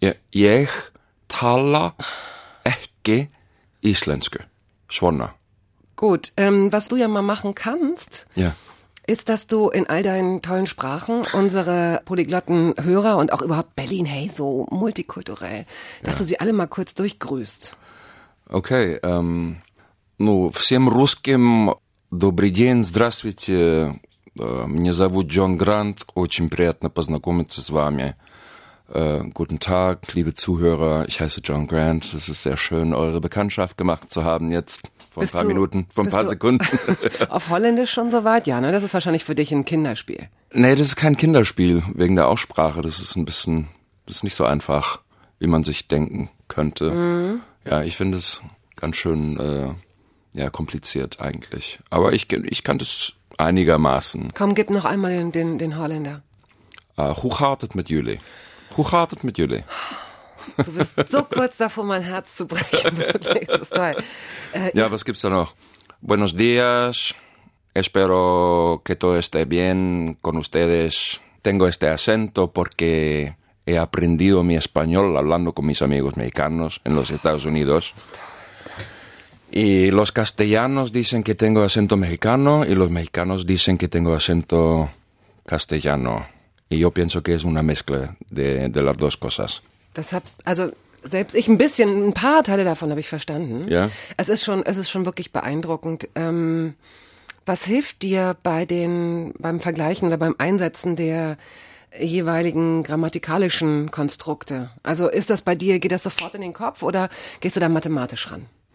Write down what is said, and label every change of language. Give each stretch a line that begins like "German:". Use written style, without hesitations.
Icelandic: Je tala ekke isländsku. Schwonna.
German: Gut. Was du ja mal machen kannst, ja, ist, dass du in all deinen tollen Sprachen unsere polyglotten Hörer und auch überhaupt Berlin, hey, so multikulturell, dass du sie alle mal kurz durchgrüßt. Okay.
Russian: Всем русским добрый день, здравствуйте. Меня зовут Джон Грант, очень приятно познакомиться с вами.
German: Guten Tag, liebe Zuhörer, ich heiße John Grant. Es ist sehr schön, eure Bekanntschaft gemacht zu haben jetzt, vor ein paar Sekunden. Auf Holländisch schon soweit? Ja, ne? Das ist wahrscheinlich für dich ein Kinderspiel. Nee, das ist kein Kinderspiel, wegen der Aussprache. Das ist ein bisschen, das ist nicht so einfach, wie man sich denken könnte. Mhm. Ja, ich finde es ganz schön kompliziert eigentlich. Aber ich kann das... einigermaßen. Komm, gib noch einmal den Holländer. Hochhartet mit Jule. Hochhartet mit Jule. Du bist so kurz davor, mein Herz zu brechen. Wirklich, das ist toll. Ja, was gibt's da noch?
Spanish: Buenos días. Espero que todo esté bien con ustedes. Tengo este acento porque he aprendido mi español hablando con mis amigos mexicanos en los Estados Unidos. Y los castellanos dicen que tengo acento mexicano y los mexicanos dicen que tengo acento castellano. Y yo pienso que es una mezcla de las dos cosas.
German: Selbst ich ein paar Teile davon habe ich verstanden. Ja. Es ist schon wirklich beeindruckend. Was hilft dir beim Vergleichen oder beim Einsetzen der jeweiligen grammatikalischen Konstrukte? Also ist das bei dir, geht das sofort in den Kopf oder gehst du da mathematisch ran?